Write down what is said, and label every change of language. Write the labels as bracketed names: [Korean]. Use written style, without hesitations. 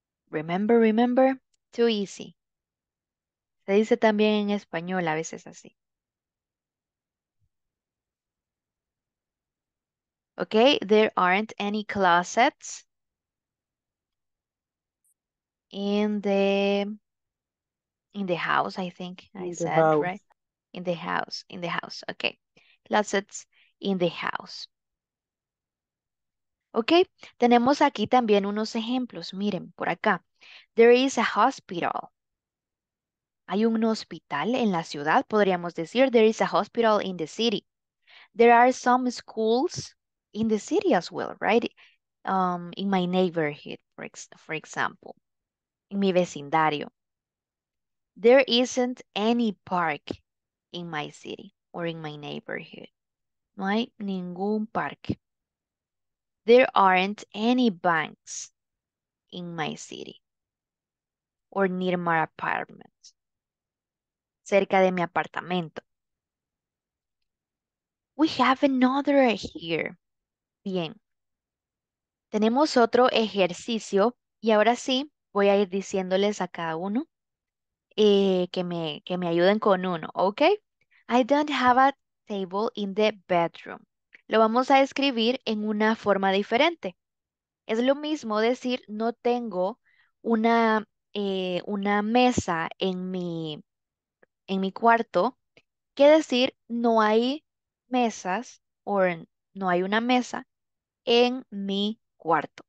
[English] Remember, too easy. [Spanish] Se dice también en español a veces así. [English] Okay, there aren't any closets in the house, I think I said, right? In the house, okay. Closets in the house. [Spanish] Ok, tenemos aquí también unos ejemplos. Miren, por acá. [English] There is a hospital. [Spanish] Hay un hospital en la ciudad, podríamos decir. [English] There is a hospital in the city. There are some schools in the city as well, right? In my neighborhood, for example. [Spanish] En mi vecindario. [English] There isn't any park in my city or in my neighborhood. [Spanish] No hay ningún parque. [English] There aren't any banks in my city or near my apartment, [Spanish] cerca de mi apartamento. [English] We have another here. [Spanish] Bien. Tenemos otro ejercicio y ahora sí voy a ir diciéndoles a cada uno que me ayuden con uno, ¿ok? [English] I don't have a table in the bedroom. [Spanish] Lo vamos a escribir en una forma diferente. Es lo mismo decir, no tengo una mesa en mi cuarto, que decir, no hay mesas o no hay una mesa en mi cuarto.